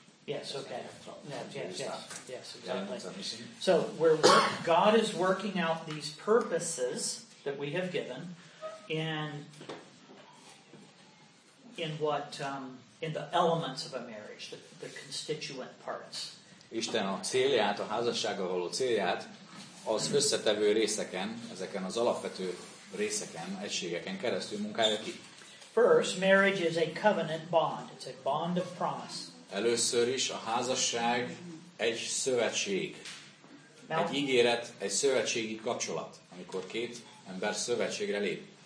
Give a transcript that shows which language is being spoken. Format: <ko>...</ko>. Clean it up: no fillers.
<en>Yes, okay. Yes, exactly. So God is working out these purposes that we have given in the elements of a marriage, the constituent parts.</en> <hu>Isten a célját, a házassággal való célját az összetevő részeken, ezeken az alapvető részeken, egységeken keresztül munkálja ki.</hu> <en>First, marriage is a covenant bond. It's a bond of promise.</en> <hu>Először is a házasság egy szövetség.</hu> <en>Now,</en> <hu>egy ígéret, egy szövetségi kapcsolat, amikor két ember szövetségre lép.</hu>